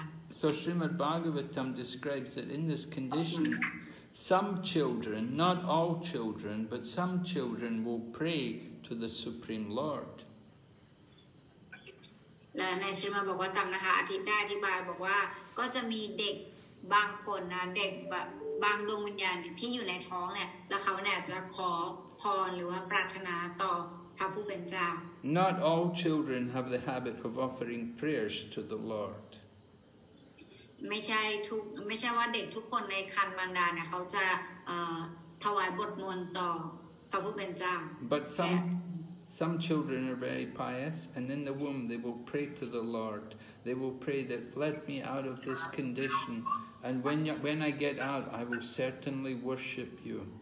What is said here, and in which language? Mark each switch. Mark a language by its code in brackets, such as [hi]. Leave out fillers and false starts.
[en] So Srimad Bhagavatam describes that in this condition, some children, not all children, but some children will pray to the Supreme Lord. [th] และในศรีมาบอกว่าตามนะคะอาทิตย์ได้อธิบายบอกว่าก็จะมีเด็กบางคนนะเด็กบางดวงวิญญาณที่อยู่ในท้องเนี่ยแล้วเขาเนี่ยจะขอพรหรือว่าปรารถนาต่อพระผู้เป็นเจ้า [en] Not all children have the habit of offering prayers to the Lord. [th] ไม่ใช่ว่าเด็กทุกคนในครรภ์มารดาเนี่ยเขาจะถวายบทมนต์ต่อพระผู้เป็นเจ้า [en] But some children are very pious, and in the womb they will pray to the Lord. They will pray that let me out of this condition, and when I get out, I will certainly worship you.